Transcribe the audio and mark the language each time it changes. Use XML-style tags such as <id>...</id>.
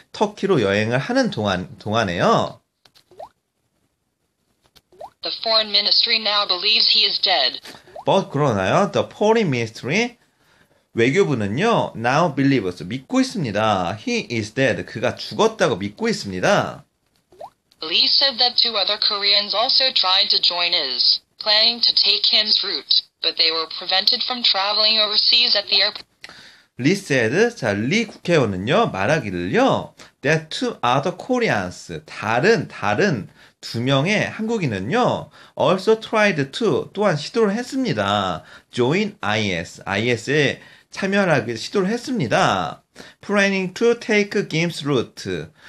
<ko>터키로 여행을 하는 동안에요.</ko> <en>The foreign ministry now believes he is dead.</en> <ko>But 그러나요?</ko> <en>The foreign ministry</en> <ko>외교부는요,</ko> <en>now believers, 믿고 있습니다. He is dead.</en> <ko>그가 죽었다고 믿고 있습니다.</ko> <en>Lee said that two other Koreans also tried to join his, planning to take his route, but they were prevented from traveling overseas at the airport. Lee 국회의원은요, 말하기를요, that two other Koreans,</en> <ko>다른 두 명의 한국인은요,</ko> <en>also tried to, 또한 시도를 했습니다.</en> <ko>Join IS에 참여하기 시도를 했습니다.</ko> <en>Planning to take Kim's route.</en>